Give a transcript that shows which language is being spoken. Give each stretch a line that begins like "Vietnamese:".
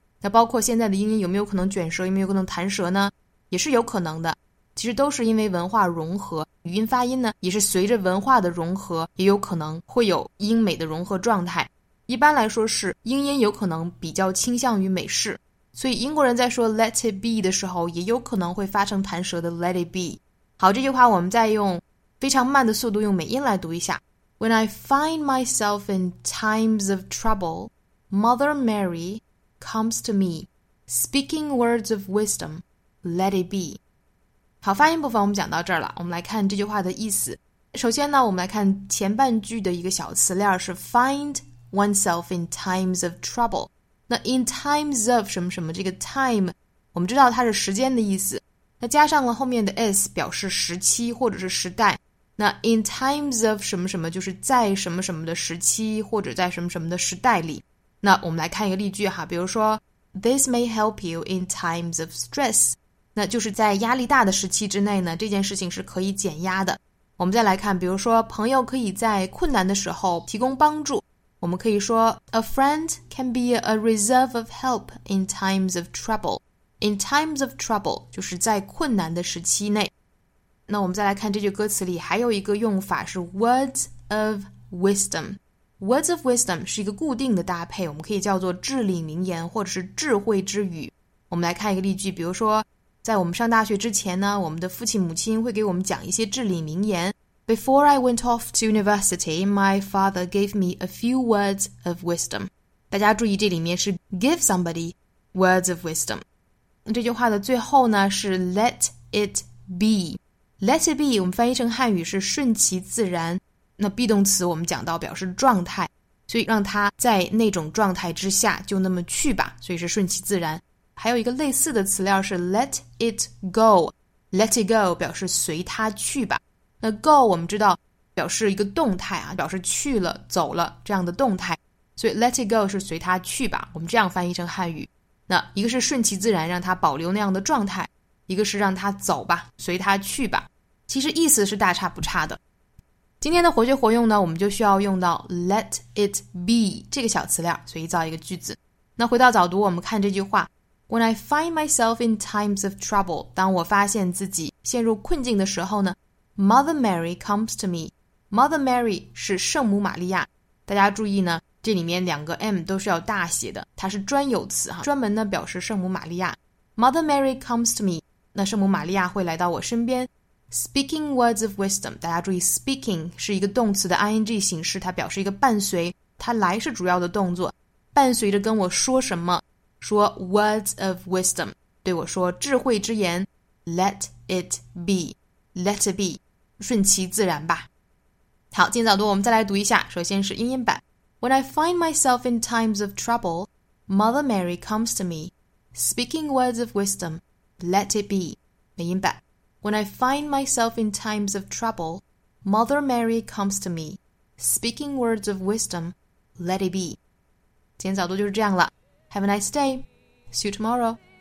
Chinese: 那包括现在的英音有没有可能卷舌，有没有可能弹舌呢，也是有可能的，其实都是因为文化融合，语音发音呢也是随着文化的融合也有可能会有英美的融合状态。一般来说是英音有可能比较倾向于美式，所以英国人在说 let it be 的时候也有可能会发成弹舌的 let it be。好，这句话我们再用非常慢的速度用美音来读一下。
English: When I find myself in times of trouble, Mother Mary comes to me, speaking words of wisdomLet it be。
Chinese: 好，发音部分我们讲到这儿了，我们来看这句话的意思。首先呢，我们来看前半句的一个小词链，是
English: find oneself in times of trouble。
Chinese: 那 in times of 什么什么，这个 time 我们知道它是时间的意思，那加上了后面的 s 表示时期或者是时代，那 in times of 什么什么就是在什么什么的时期或者在什么什么的时代里。那我们来看一个例句哈，比如说
English: This may help you in times of stress.
Chinese: 那就是在压力大的时期之内呢，这件事情是可以减压的。我们再来看，比如说朋友可以在困难的时候提供帮助，我们可以说
English: A friend can be a reserve of help in times of trouble. In times of trouble
Chinese: 就是在困难的时期内。那我们再来看这句歌词里还有一个用法是 words of wisdom。 Words of wisdom 是一个固定的搭配，我们可以叫做至理名言或者是智慧之语。我们来看一个例句，比如说在我们上大学之前呢，我们的父亲母亲会给我们讲一些至理名言。
English: Before I went off to university, my father gave me a few words of wisdom.
Chinese: 大家注意这里面是 give somebody words of wisdom。这句话的最后呢是 let it be。 Let it be 我们翻译成汉语是顺其自然，那 be 动词我们讲到表示状态，所以让它在那种状态之下就那么去吧，所以是顺其自然。还有一个类似的词料是
English: let it go， let it go
Chinese: 表示随它去吧。那 go 我们知道表示一个动态啊，表示去了走了这样的动态，所以 let it go 是随它去吧，我们这样翻译成汉语。那一个是顺其自然让它保留那样的状态，一个是让它走吧，随它去吧，其实意思是大差不差的。今天的活学活用呢，我们就需要用到 let it be 这个小词料，所以造一个句子。
English: 那回到早读，我们看这句话 When I find myself in times of trouble，
Chinese: 当我发现自己陷入困境的时候呢，
English: Mother Mary comes to me。
Chinese: Mother Mary 是圣母玛利亚，大家注意呢，这里面两个 M 都是要大写的，它是专有词哈，专门呢表示圣母玛利亚。
English: Mother Mary comes to me.
Chinese: 那圣母玛利亚会来到我身边。
English: Speaking words of wisdom.
Chinese: 大家注意 speaking 是一个动词的 ing 形式，它表示一个伴随，它来是主要的动作，伴随着跟我说什么，说
English: words of wisdom,
Chinese: 对我说智慧之言。
English: Let it be, let it be,
Chinese: 顺其自然吧。好，今早读我们再来读一下，首先是英音版。
English: When I find myself in times of trouble, Mother Mary comes to me, speaking words of wisdom, let it be.
Chinese: 美音版。
English: When I find myself in times of trouble, Mother Mary comes to me, speaking words of wisdom, let it be.
Chinese: 今天早读就是这样了。
English: Have a nice day. See you tomorrow.